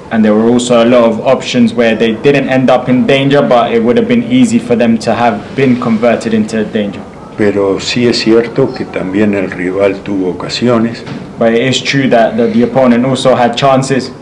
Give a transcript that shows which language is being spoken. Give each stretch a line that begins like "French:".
English: And there were also a lot of options where they didn't end up in danger, but it would have been easy for them to have been converted into danger.
Spanish: Pero sí es cierto que también el rival tuvo ocasiones.
English: But it is true that the opponent also had chances.